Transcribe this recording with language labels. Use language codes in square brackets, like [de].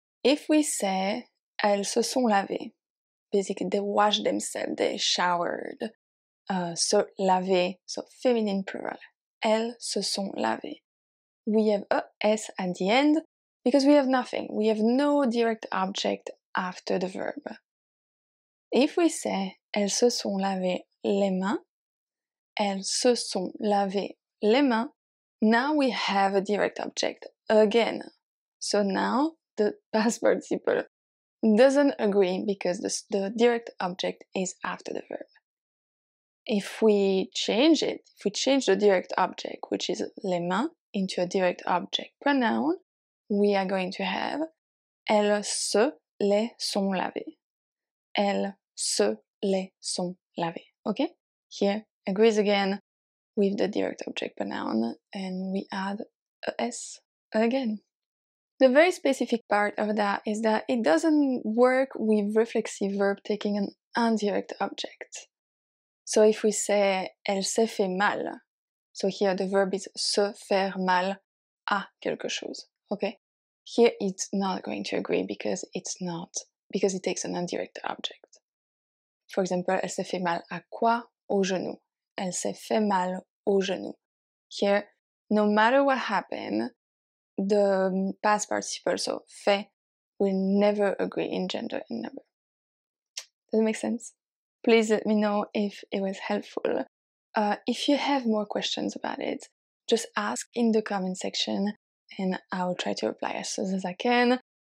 [en] If we say [fr] elles se sont lavées, [en] basically, they washed themselves, they showered. [fr] Se laver, [en] so feminine plural. [fr] Elles se sont lavées. [en] We have a S at the end because we have nothing. We have no direct object after the verb. If we say, [fr] elles se sont lavées les mains, elles se sont lavées les mains, [en] now we have a direct object again. So now the past participle doesn't agree because the direct object is after the verb. If we change it, if we change the direct object, which is [fr] les mains, [en] into a direct object pronoun, we are going to have [fr] elles se les sont lavées. Elles se les sont lavées. Okay? [en] Here, agrees again with the direct object pronoun, and we add a S again. The very specific part of that is that it doesn't work with reflexive verb taking an indirect object. So if we say, [fr] elle s'est fait mal, [en] so here the verb is [fr] se faire mal à quelque chose, [en] okay? Here it's not going to agree because it's not, because it takes an indirect object. For example, [fr] elle s'est fait mal à quoi? Au genou. Elle s'est fait mal au genou. [en] Here, no matter what happened, the past participle, so fait, will never agree in gender and number. Does it make sense? Please let me know if it was helpful. If you have more questions about it, just ask in the comment section and I'll try to reply as soon as I can.